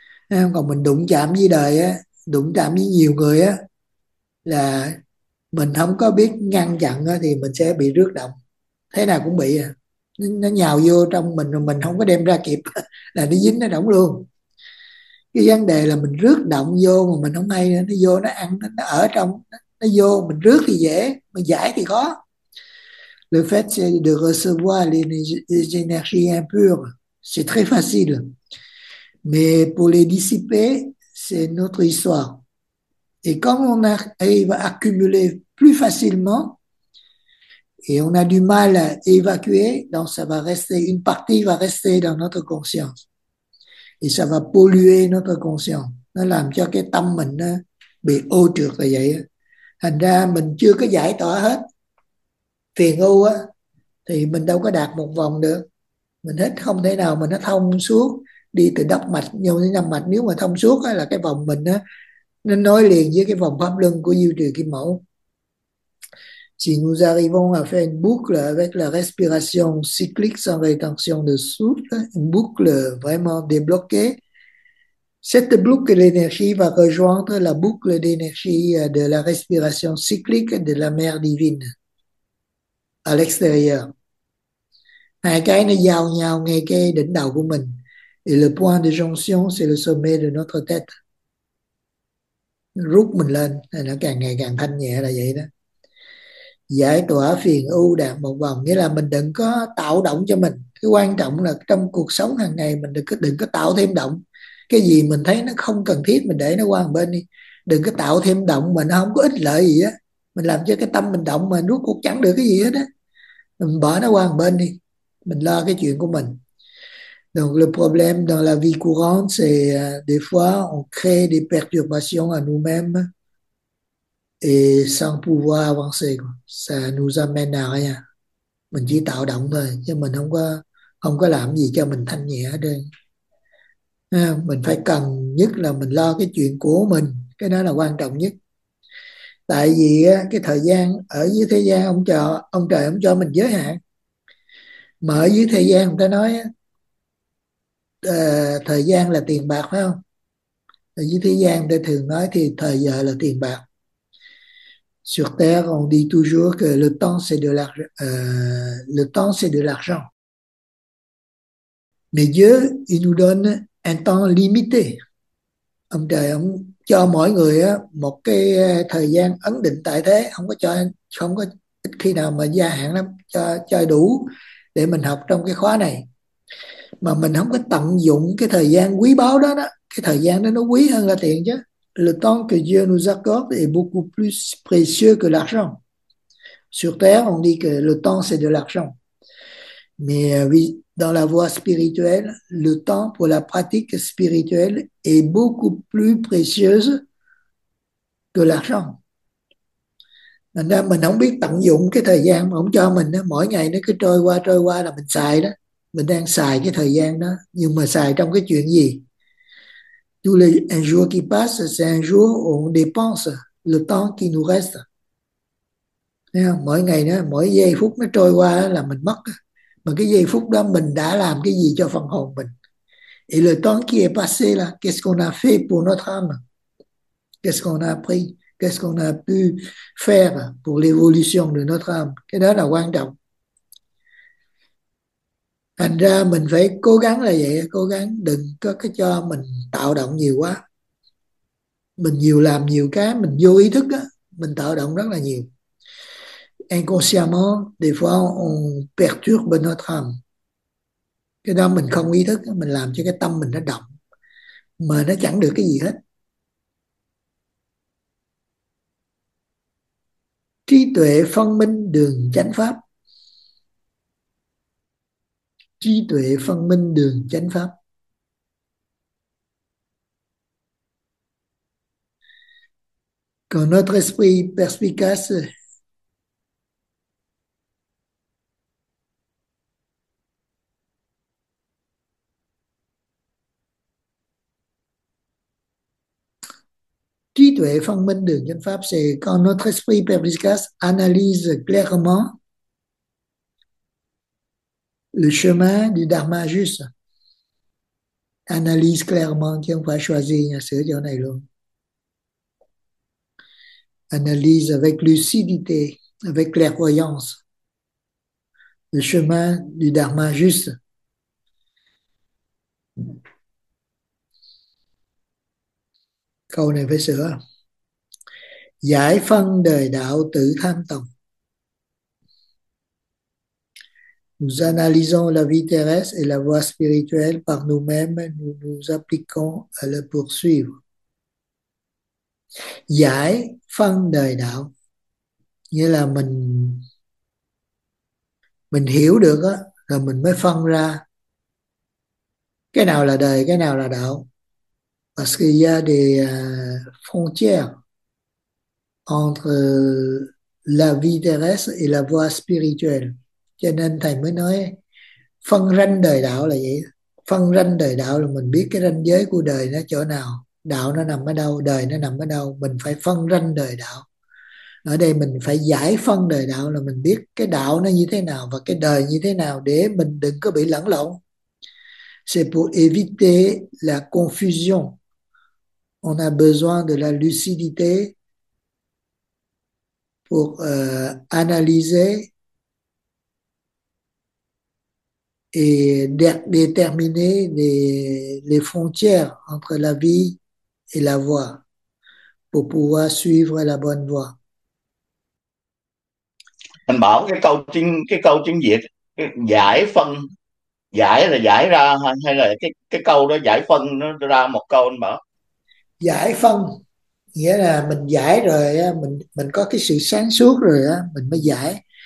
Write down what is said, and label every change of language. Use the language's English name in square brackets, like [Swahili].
[Vietnamese] Nên còn mình đụng chạm với đời á, đụng chạm với nhiều người á, là mình không có biết ngăn chặn á, thì mình sẽ bị rước động, thế nào cũng bị à. Nó nhào vô trong mình rồi mình không có đem ra kịp là nó dính nó động luôn. Cái vấn đề là mình rước động vô mà mình không hay, nó vô nó ăn, nó ở trong, nó vô mình rước thì dễ mà giải thì khó. [French] Le fait de recevoir les énergies impures, c'est très facile, mais pour les dissiper, c'est notre histoire. Et comme on arrive à accumuler plus facilement et on a du mal à évacuer, donc ça va rester, une partie va rester dans notre conscience. Et ça va polluer notre conscience. [Vietnamese] Nó làm cho cái tâm mình nó bị ô trược là vậy. Thành ra mình chưa có giải tỏa hết phiền ưu á, thì mình đâu có đạt một vòng được. Mình hết không thể nào mà nó thông suốt, đi từ đốc mạch vô đến nhâm mạch. Nếu mà thông suốt á, là cái vòng mình á, nó nối liền với cái vòng pháp luân của diệu trì kim mẫu. [French] Si nous arrivons à faire une boucle avec la respiration cyclique sans rétention de souffle, une boucle vraiment débloquée, cette boucle d'énergie va rejoindre la boucle d'énergie de la respiration cyclique de la mère divine à l'extérieur. [Vietnamese] Hai cái nó giao nhau ngay cái đỉnh đầu của mình. [French] Et le point de jonction, c'est le sommet de notre tête. [Vietnamese] Rút mình lên, nó càng ngày càng thanh nhẹ là vậy đó. giải tỏa phiền ưu đạt một vòng, nghĩa là mình đừng có tạo động cho mình. Cái quan trọng là trong cuộc sống hàng ngày mình đừng có tạo thêm động. Cái gì mình thấy nó không cần thiết mình để nó qua một bên đi, đừng có tạo thêm động mà nó không có ích lợi gì á, mình làm cho cái tâm mình động mà rốt cuộc chẳng được cái gì hết á, mình bỏ nó qua một bên đi, mình lo cái chuyện của mình. [French] Donc le problème dans la vie courante, c'est des fois on crée des perturbations à nous-mêmes et sans pouvoir avancer, ça nous amène à rien. [Vietnamese] Mình chỉ tạo động thôi chứ mình không có làm gì cho mình thanh nhẹ hết. Mình phải cần nhất là mình lo cái chuyện của mình, cái đó là quan trọng nhất. Tại vì cái thời gian ở dưới thế gian, ông trời ông cho mình giới hạn. Mà ở dưới thế gian người ta nói thời gian là tiền bạc, phải không? Ở dưới thế gian người ta thường nói thì thời giờ là tiền bạc. [French] Sur Terre, on dit toujours que le temps c'est de l'argent. Mais Dieu, il nous donne un temps limité. [Vietnamese] Ông trời ông cho mỗi người á một cái thời gian ấn định tại thế, không có ít khi nào mà gia hạn lắm, cho đủ để mình học trong cái khóa này. Mà mình không có tận dụng cái thời gian quý báu đó đó, cái thời gian đó nó quý hơn là tiền chứ. [French] Le temps que Dieu nous accorde est beaucoup plus précieux que l'argent. Sur Terre, on dit que le temps c'est de l'argent. Mais oui, dans la voie spirituelle, le temps pour la pratique spirituelle est beaucoup plus précieuse que l'argent. [Vietnamese] Mình không biết tận dụng cái thời gian mà ông cho mình đó. Mỗi ngày nó cứ trôi qua là mình xài đó. Mình đang xài cái thời gian đó. Nhưng mà xài trong cái chuyện gì? [French] Tous les un jour qui passe, c'est un jour où on dépense le temps qui nous reste. [Vietnamese] Thấy không? Mỗi ngày đó, mỗi giây phút nó trôi qua là mình mất. Mà cái giây phút đó mình đã làm cái gì cho phần hồn mình? [French] Et le temps qui est passé là qu'est-ce qu'on a fait pour notre âme? Qu'est-ce qu'on a appris? Qu'est-ce qu'on a pu faire pour l'évolution de notre âme? [Vietnamese] Cái đó là quan trọng. Thành ra mình phải cố gắng là vậy, cố gắng đừng có cái cho mình tạo động nhiều quá. Mình nhiều làm nhiều cái, mình vô ý thức á, mình tạo động rất là nhiều. [French] Inconsciemment, des fois, on perturbe notre âme. [Vietnamese] Cái đó mình không ý thức, mình làm cho cái tâm mình nó động, mà nó chẳng được cái gì hết. Trí tuệ phân minh đường chánh pháp. Trí tuệ phân minh đường chánh pháp. [French] Còn notre esprit perspicace, [Vietnamese] trí tuệ phân minh đường chánh pháp, [French] c'est quand notre esprit perspicace analyse clairement le chemin du dharma juste. Analyse clairement, [Vietnamese] chứ không phải choisir, sửa chỗ này luôn. [French] Analyse avec lucidité, avec clairvoyance, le chemin du dharma juste. [Vietnamese] Câu này phải sửa. Giải phân đời đạo tự tham tổng. [French] Nous analysons la vie terrestre et la voie spirituelle par nous-mêmes, nous nous appliquons à le poursuivre. [Vietnamese] Giải phân đời đạo, nghĩa là mình hiểu được á, là mình mới phân ra cái nào là đời, cái nào là đạo. [French] Parce qu'il y a des frontières entre la vie terrestre et la voie spirituelle. [Vietnamese] Cho nên thầy mới nói phân ranh đời đạo là vậy. Phân ranh đời đạo là mình biết cái ranh giới của đời nó chỗ nào, đạo nó nằm ở đâu, đời nó nằm ở đâu. Mình phải phân ranh đời đạo. Ở đây mình phải giải phân đời đạo là mình biết cái đạo nó như thế nào và cái đời như thế nào để mình đừng có bị lẫn lộn. [French] C'est pour éviter la confusion. On a besoin de la lucidité pour analyser et déterminer les frontières entre la vie et la voie pour pouvoir suivre la bonne voie. [Vietnamese] Anh bảo cái câu tiếng Việt giải phân, giải là giải ra hay là cái câu đó giải phân nó ra một câu anh bảo. Giải phân nghĩa là mình giải rồi á, mình có cái sự sáng suốt rồi á, mình mới giải.